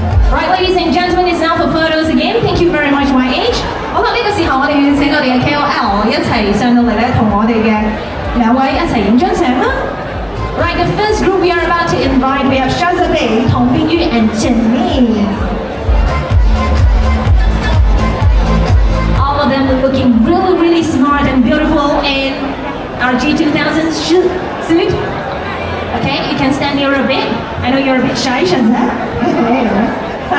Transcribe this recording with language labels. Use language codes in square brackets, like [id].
[en] Right, ladies and gentlemen, it's now for photos again. Thank you very much, YH. [zh] 好了，这个时候我们要请我们的 KOL 一起上来和我们的两位一起拍张照片。 [en] Right, the first group we are about to invite, we have Shaza Bei, Tong Bing Yu, and Jin Mi. All of them are looking really, really smart and beautiful in our G2000 suit. Okay, you can stand here a bit. I know you're a bit shy, Shaza.